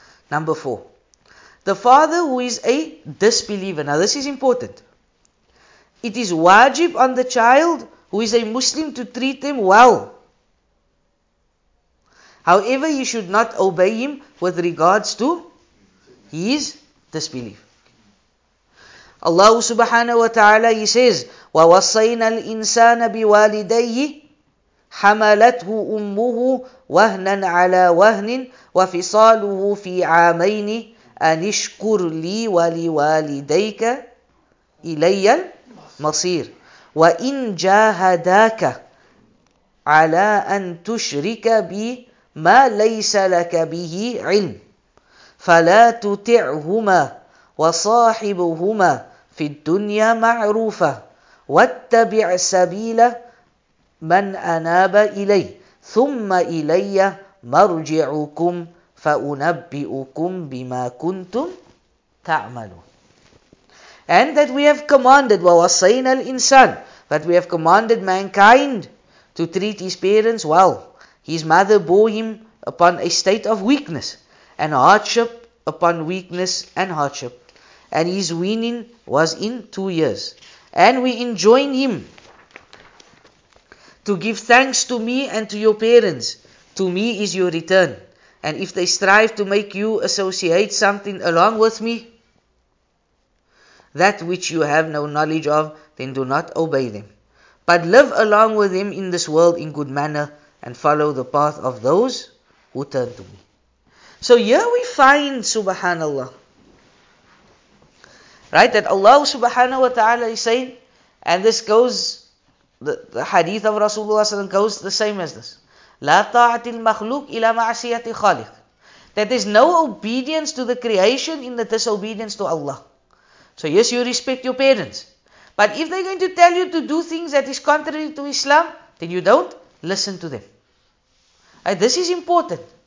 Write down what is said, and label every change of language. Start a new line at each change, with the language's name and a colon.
English: Number four. The father who is a disbeliever. Now this is important. It is wajib on the child who is a Muslim to treat them well. However, he should not obey him with regards to his disbelief.
Arabic: Allah subhanahu wa ta'ala,
English: He says,
Arabic: وَوَصَّيْنَا الْإِنسَانَ بِوَالِدَيْهِ حَمَلَتْهُ أُمُّهُ وَهْنًا عَلَى وَهْنٍ وَفِصَالُهُ فِي عَامَيْنِ أَنِشْكُرْ لِي وَلِوَالِدَيْكَ إِلَيَّا مصير وإن جاهداك على أن تشرك بي ما ليس لك به علم فلا تطعهما وصاحبهما في الدنيا معروفة واتبع سبيل من أناب إلي ثم إلي مرجعكم فأنبئكم بما كنتم تعملون.
English: And that we have commanded,
Arabic: وَوَصَّيْنَا الْإِنسَانِ
English: That we have commanded mankind to treat his parents well. His mother bore him upon a state of weakness, and hardship upon weakness and hardship. And his weaning was in 2 years. And we enjoin him to give thanks to me and to your parents. To me is your return. And if they strive to make you associate something along with me, that which you have no knowledge of, then do not obey them. But live along with them in this world in good manner and follow the path of those who turn to me. So here we find, subhanallah, right, that Allah subhanahu wa ta'ala is saying, and this goes, the hadith of Rasulullah s.a.w. goes the same as this.
Arabic: لا طاعة المخلوق إلى معصية الخالق.
English: That there's no obedience to the creation in the disobedience to Allah. So yes, you respect your parents. But if they're going to tell you to do things that is contrary to Islam, then you don't listen to them. Right, this is important.